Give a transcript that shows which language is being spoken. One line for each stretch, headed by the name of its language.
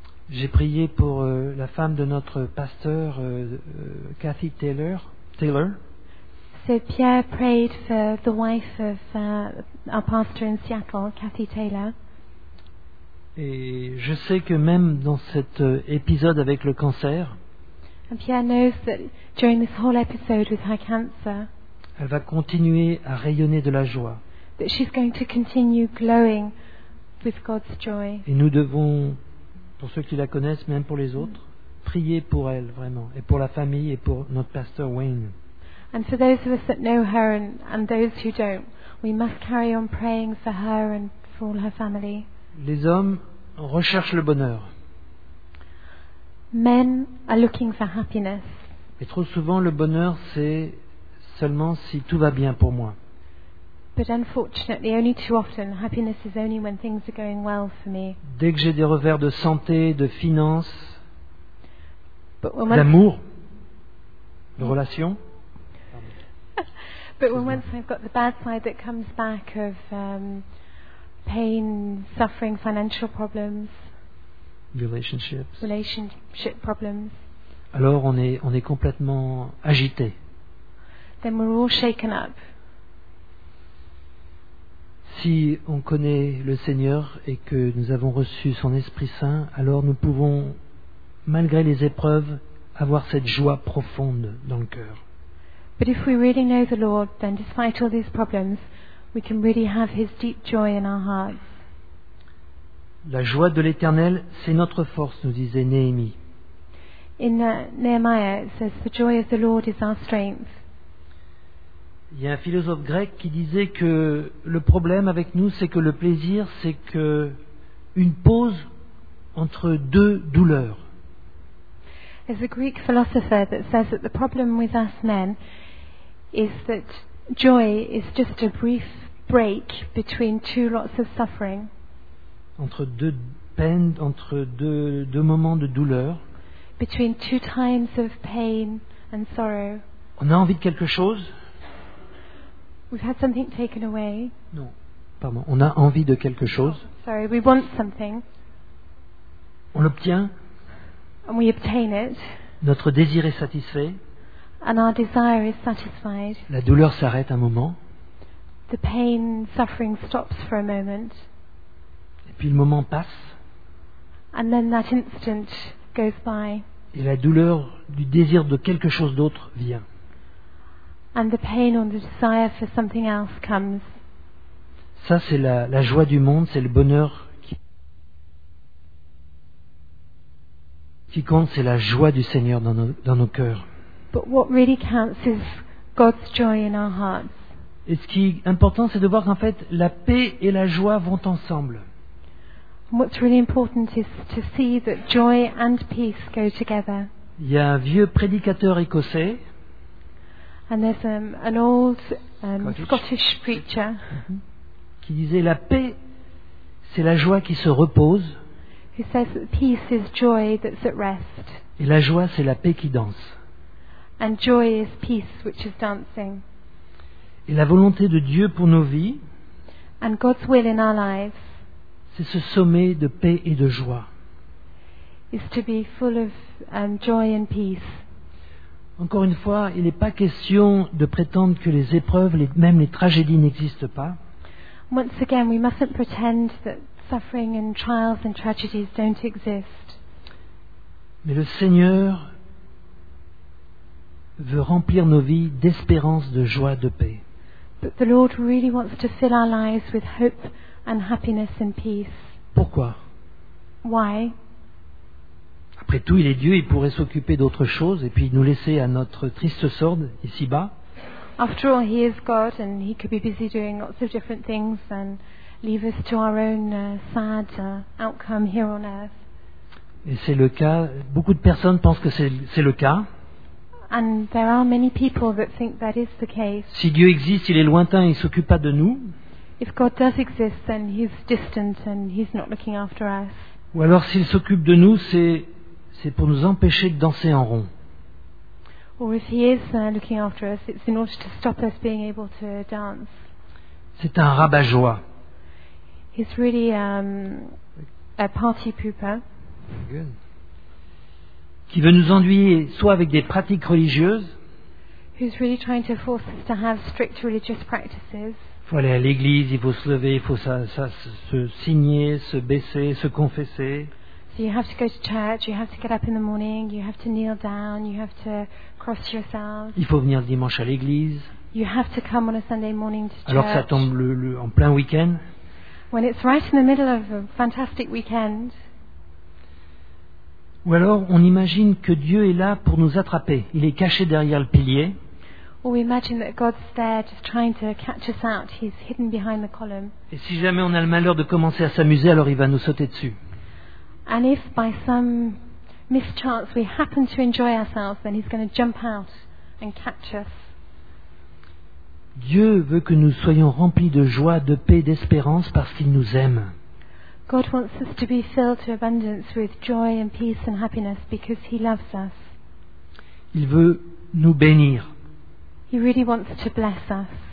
French: J'ai prié pour la femme de notre pasteur, Kathy Taylor.
English: So Pierre prayed for the wife of our pastor in Seattle, Kathy Taylor.
French: Et je sais que même dans cet épisode avec le cancer,
English: and Pierre knows that during this whole episode with her cancer,
French: elle va continuer à rayonner de la joie.
English: That she's going to continue glowing with God's joy.
French: Et nous devons, pour ceux qui la connaissent, même pour les autres, prier pour elle vraiment, et pour la famille et pour notre pasteur Wayne.
English: And for those of us that know her and those who don't, we must carry on praying for her and for all her family.
French: Les hommes recherchent le bonheur.
English: Men are looking for happiness.
French: Et trop souvent, le bonheur, c'est seulement si tout va bien pour moi.
English: But unfortunately, only too often, happiness is only when things are going well for me.
French: Dès que j'ai des revers de santé, de finances, d'amour, de relations.
English: But when once I've got the bad side that comes back of pain, suffering, financial problems. Relationship problems.
French: Alors on est complètement agité.
English: Then we're all shaken up.
French: Si on connaît le Seigneur et que nous avons reçu son Esprit Saint, alors nous pouvons, malgré les épreuves, avoir cette joie profonde dans le cœur.
English: But if we really know the Lord, then despite all these problems, we can really have his deep joy in our hearts.
French: La joie de l'Éternel, c'est notre force, nous disait Néhémie.
English: In Nehemiah, it says, the joy of the Lord is our strength.
French: Il y a un philosophe grec qui disait que le problème avec nous, c'est que le plaisir, c'est que une pause entre deux douleurs.
English: There's a Greek philosopher that says that the problem with us men is that joy is just a brief break between two lots of suffering.
French: Entre deux peines, entre deux moments de douleur.
English: Between two times of pain and sorrow.
French: On a envie de quelque chose.
English: We've had something taken away.
French: Non, pardon. On a envie de quelque chose.
English: Oh, sorry, we want something.
French: On l'obtient.
English: And we obtain it.
French: Notre désir est satisfait.
English: And our desire is satisfied.
French: La douleur s'arrête un moment.
English: The pain, suffering stops for a moment.
French: Et puis le moment passe.
English: And then that instant goes by.
French: Et la douleur du désir de quelque chose d'autre vient.
English: And the pain or the desire for something else comes.
French: Ça, c'est la joie du monde, c'est le bonheur qui compte, c'est la joie du Seigneur dans nos cœurs.
English: But what really counts is God's joy in our hearts.
French: Et ce qui est important, c'est de voir qu'en fait, la paix et la joie vont ensemble.
English: What's really important is to see that joy and peace go together.
French: Il y a un vieux prédicateur écossais.
English: And there's an old Scottish preacher.
French: Qui disait la paix, c'est la joie qui se repose.
English: He says that peace is joy that's at rest.
French: Et la joie, c'est la paix qui danse.
English: And joy is peace which is dancing.
French: Et la volonté de Dieu pour nos vies,
English: and God's will in our lives,
French: c'est ce sommet de paix et de joie.
English: Is to be full of joy and peace.
French: Encore une fois, il n'est pas question de prétendre que les épreuves, même les tragédies, n'existent pas.
English: Once again, we mustn't pretend that suffering and trials and tragedies don't exist.
French: Mais le Seigneur veut remplir nos vies d'espérance, de joie, de paix.
English: But the Lord really wants to fill our lives with hope and happiness and peace.
French: Pourquoi?
English: Why?
French: Après tout, il est Dieu, il pourrait s'occuper d'autre chose et puis nous laisser à notre triste sort ici-bas.
English: After all, he is God and he could be busy doing lots of different things and leave us to our own sad outcome here on earth.
French: Et c'est le cas, beaucoup de personnes pensent que c'est le cas.
English: And there are many people that think that is the case.
French: Si Dieu existe, il est lointain, il s'occupe pas de nous.
English: If God does exist, then he's distant and he's not looking after us.
French: Ou alors s'il s'occupe de nous, c'est pour nous empêcher de danser en rond.
English: Or if he is looking after us, it's in order to stop us being able to dance.
French: C'est un rabat-joie.
English: He's really a party pooper. Good.
French: Qui veut nous ennuyer soit avec des pratiques religieuses.
English: Who's really trying to force us to have strict religious practices.
French: Il faut aller à l'église, il faut se lever, il faut se signer, se baisser, se confesser.
English: So you have to go to church, you have to get up in the morning, you have to kneel down, you have to cross yourself.
French: Il faut venir le dimanche à l'église.
English: You have to come on a Sunday morning to church.
French: Alors ça tombe le en plein week-end.
English: When it's right in the middle of a fantastic weekend.
French: Ou alors on imagine que Dieu est là pour nous attraper. Il est caché derrière le pilier.
English: Or we imagine that God's there just trying to catch us out. He's hidden behind the column.
French: Et si jamais on a le malheur de commencer à s'amuser, alors il va nous sauter dessus.
English: And if by some mischance we happen to enjoy ourselves, then he's going to jump out and catch us.
French: Dieu veut que nous soyons remplis de joie, de paix, d'espérance parce qu'il nous aime.
English: God wants us to be filled to abundance with joy and peace and happiness because he loves us.
French: Il veut nous bénir.
English: He really wants to bless us.